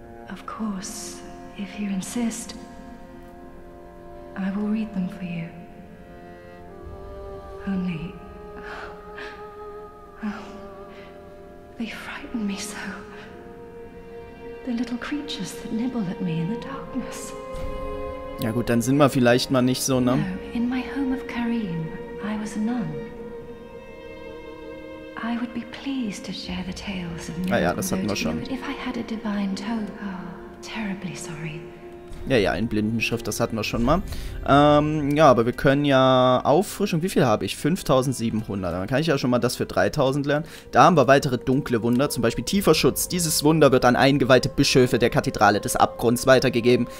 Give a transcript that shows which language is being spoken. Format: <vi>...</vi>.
<en>Of course, if you insist, I will read them for you. Only... Oh, they frighten me so. The little creatures that nibble at me in the darkness.</en> <de>Ja gut, dann sind wir vielleicht mal nicht so, ne?</de> <en>No, in my home of Karim, I was a nun. I would be pleased to share the tales of</en> <de>Ah ja, das hatten wir schon.</de> <en>If I had a divine toe, oh, terribly sorry.</en> <de>Ja, ja, in Blindenschrift, das hatten wir schon mal. Ja, aber wir können ja Auffrischung, wie viel habe ich? 5700. Dann kann ich ja schon mal das für 3000 lernen. Da haben wir weitere dunkle Wunder, zum Beispiel tiefer Schutz. Dieses Wunder wird an eingeweihte Bischöfe der Kathedrale des Abgrunds weitergegeben.</de>